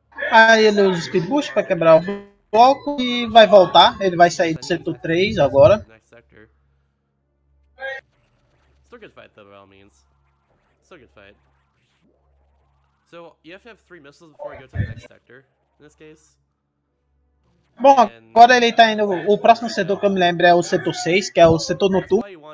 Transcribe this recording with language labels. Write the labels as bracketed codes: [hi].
[pt] Aí ele usa o Speed Boost pra quebrar o bloco e vai voltar. Ele vai sair do setor 3 agora. [en] Still good fight, though, by all means. Still good fight. So, you have to have 3 missiles before you go to the next sector, in this case. [pt] Bom, agora ele tá indo... O próximo setor que eu me lembro é o setor 6, que é o setor noturno.